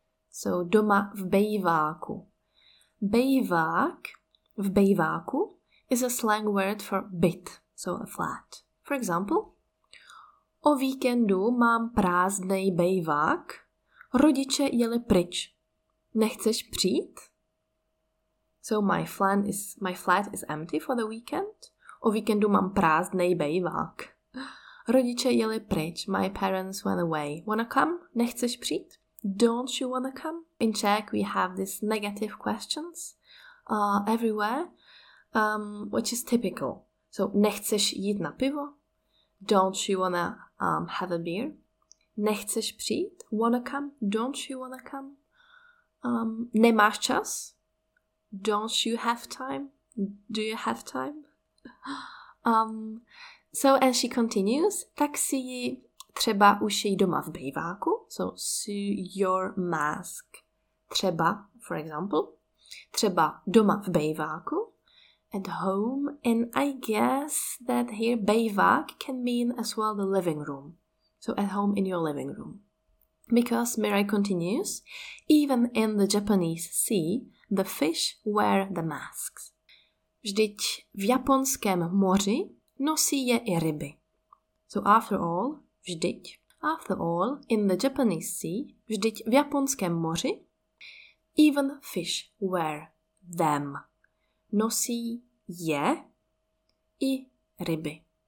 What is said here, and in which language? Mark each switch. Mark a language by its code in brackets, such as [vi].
[en] So, [cs] doma v bejváku. [en] Bejvák v bejváku is a slang word for byt, so a flat. For example, [cs] o víkendu mám prázdnej bejvák, rodiče jeli pryč. Nechceš přijít? [en] So, my flat is empty for the weekend. [cs] O víkendu mám prázdnej bejvák. Rodiče jeli pryč, [en] my parents went away. Wanna come? [cs] Nechceš přijít? [en] Don't you wanna come? In Czech, we have these negative questions everywhere, which is typical. So, [cs] nechceš jít na pivo? [en] Don't you wanna have a beer? [cs] Nechceš přijít? [en] Wanna come? Don't you wanna come? [cs] Nemáš čas? [en] Don't you have time? Do you have time? So, and she continues, [cs] tak si ji třeba ušij doma v bejváku. [en] So, sew your mask. Třeba, for example, [cs] třeba doma v bejváku, [en] at home. And I guess that here bejvák can mean as well the living room. So, at home in your living room. Because, Mirai continues, even in the Japanese sea, the fish wear the masks. [cs] Vždyť v japonském moři nosí je i ryby. [en] So after all, vždyť. After all, in the Japanese sea, [cs] vždyť v japonském moři. [en] Even fish wear them. [cs] Nosí je i ryby.